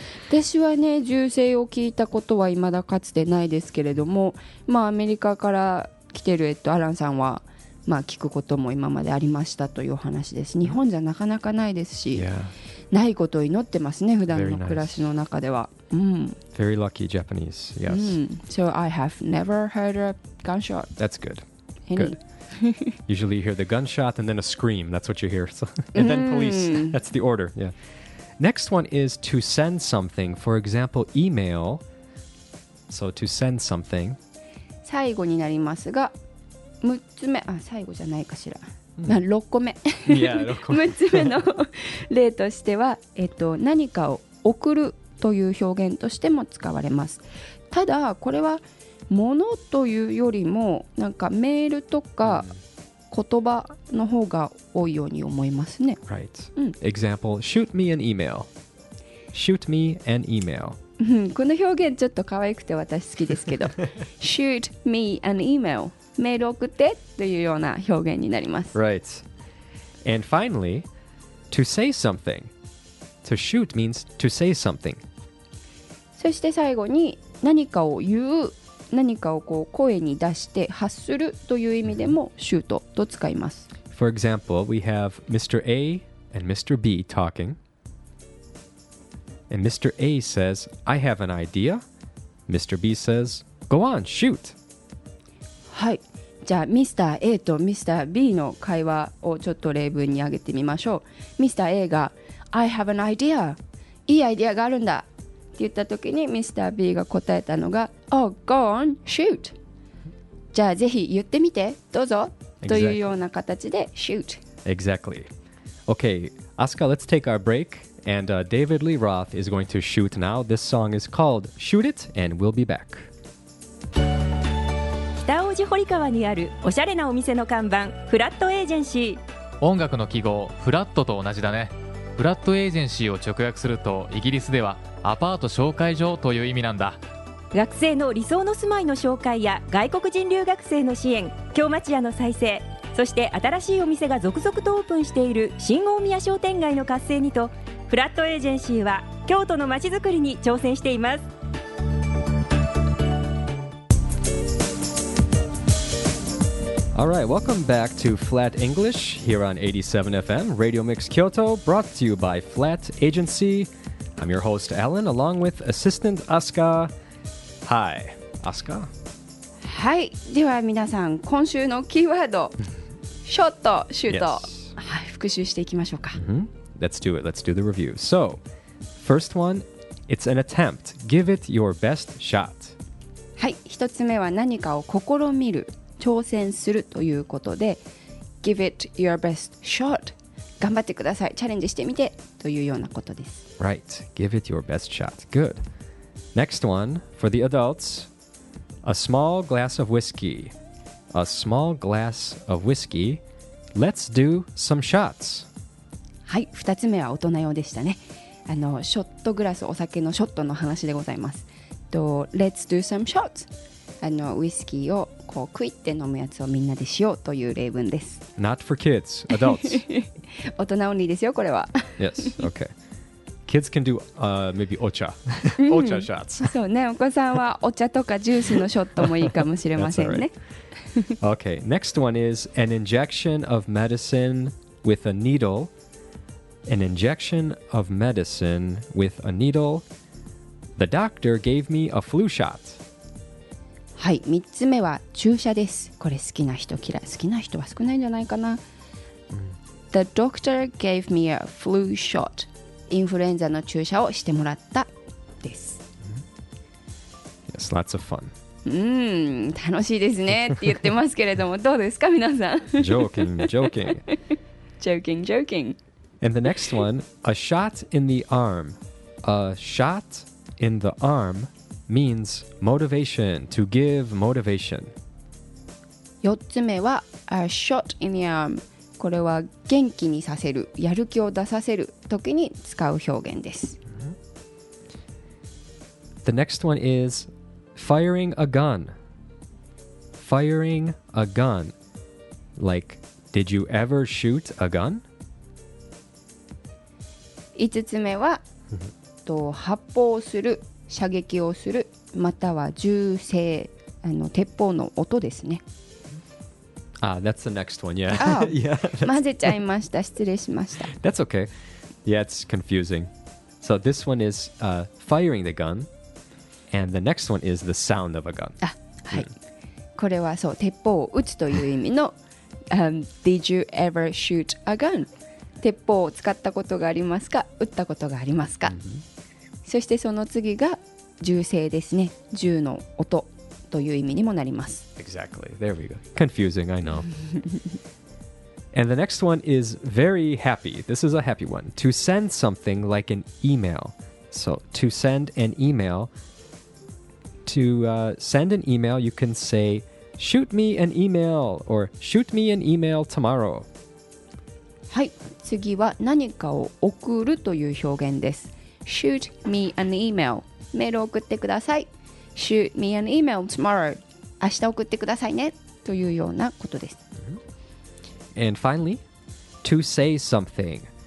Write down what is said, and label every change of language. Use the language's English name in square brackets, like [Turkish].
[Japanese] 私はね、銃声を聞いたことは未だかつてないですけれども、まあアメリカから来てるアランさんは、まあ聞くことも今までありましたという話です。日本じゃなかなかないですし、 [English] yeah. [Japanese] ないことを祈ってますね、普段の暮らしの中では。 [English] Very nice. Very lucky Japanese. Yes. So I have never heard a gunshot. That's good. Any? Good. Usually you hear the gunshot and then a scream. That's what you hear. and then police. That's the order. Yeah. Next one is to send something. For example, email. So to send something. [Japanese] 最後になりますが、6つ目、あ、最後じゃないかしら。まあ、6個目。 Yeah, 6個目。 6つ目の例としては、何かを送るという表現としても使われます。ただ、これは、ものというよりもなんかメールとか言葉の方が多いように思いますね。 [English] Right. Example, shoot me an email. Shoot me an email. [Japanese] この表現ちょっと可愛くて私好きですけど。 [English] shoot me an email. [Japanese] メール送ってというような表現になります。 [English] Right. And finally, to say something. To shoot means to say something. [Japanese] そして最後に何かを言う。何かをこう声に出して発するという意味でもシュートと使います。 [English] For example, we have Mr. A and Mr. B talking. And Mr. A says, I have an idea. Mr. B says, Go on, shoot! [Japanese] はい。じゃあ、Mr. A と Mr. B の会話をちょっと例文に挙げてみましょう。 [English] Mr. A が、I have an idea! [Japanese] いいアイデアがあるんだって言った時に Mr. B が答えたのが、 [English] Oh, go on, shoot! [Japanese] じゃあ、ぜひ言ってみて、どうぞ、 [English] exactly. [Japanese] というような形で、shoot! [English] Exactly. Okay, Asuka, let's take our break. And David Lee Roth is going to shoot now. This song is called Shoot It, and we'll be back. [Japanese] 北大路堀川にあるおしゃれなお店の看板、フラットエージェンシー。音楽の記号、フラットと同じだね。フラットエージェンシーを直訳すると、イギリスではアパート紹介所という意味なんだ。学生の理想の住まいの紹介や外国人留学生の支援、京町屋の再生、そして新しいお店が続々とオープンしている新大宮商店街の活性にと、フラットエージェンシーは京都の街づくりに挑戦しています。 [English] Alright, welcome back to Flat English here on 87FM Radio Mix Kyoto, brought to you by Flat Agency. I'm your host Alan, along with assistant Asuka. Hi, Asuka. [Japanese] はい、では皆さん、今週のキーワードショット、シュート、はい、復習していきましょうか。 [English] Let's do it. Let's do the review. So, first one, it's an attempt. Give it your best shot. [Japanese] はい、一つ目は何かを試みる、挑戦するということで、 [English] Give it your best shot. [Japanese] 頑張ってください。チャレンジしてみてというようなことです。 [English] Right. Give it your best shot. Good. Next one, for the adults, a small glass of whiskey. A small glass of whiskey. Let's do some shots. [Japanese] はい、2つ目は大人用でしたね。あのショットグラス、お酒のショットの話でございます。 [English] と Let's do some shots。 [Japanese] あのウイスキーをこうクイッて飲むやつをみんなでしようという例文です。 [English] Not for kids, adults [Japanese] 大人オンリーですよ、これは。 [English] Yes, okay. Kids can do、maybe ocha ocha shots [Japanese] そうね、お子さんはお茶とかジュースのショットもいいかもしれませんね。 [English] right. Okay, next one is an injection of medicine with a needleAn injection of medicine with a needle. The doctor gave me a flu shot. [Japanese] はい、3つ目は注射です。これ好きな人嫌い、好きな人は少ないんじゃないかな。 [English] The doctor gave me a flu shot. [Japanese] インフルエンザの注射をしてもらったです。 [English] Yes, lots of fun. [Japanese] 楽しいですねって言ってますけれども、どうですか皆さん。 [English] Joking, joking. Joking, joking. And the next one, a shot in the arm. A shot in the arm means motivation, to give motivation. [Japanese] 四つ目は [English] a shot in the arm. [Japanese] これは元気にさせる、やる気を出させる時に使う表現です。 [English] The next one is firing a gun. Firing a gun. Like, did you ever shoot a gun? [Japanese] 5つ目は発砲する、射撃をする、または銃声、あの鉄砲の音ですね。 [English] Ah, that's the next one, yeah. Oh, [Japanese] yeah, 混ぜちゃいました、失礼しました。 [English] That's okay. Yeah, it's confusing. So this one is、firing the gun, and the next one is the sound of a gun. [Japanese] あ、はい。これはそう、鉄砲を撃つという意味の、 [English] Did you ever shoot a gun? [Japanese] 鉄砲を使ったことがありますか、撃ったことがありますか、mm-hmm. そしてその次が銃声ですね、銃の音という意味にもなります。 [English] Exactly, there we go. Confusing, I know. And the next one is very happy. This is a happy one. To send something like an email. So to send an email, to、send an email, you can say shoot me an email or shoot me an email tomorrow. [Japanese] はい、次は何かを送るという表現です。 [English] Shoot me an email. [Japanese] メールを送ってください。 [English] Shoot me an email tomorrow. [Japanese] 明日送ってくださいね。というようなことです。 [English] And finally, to say something.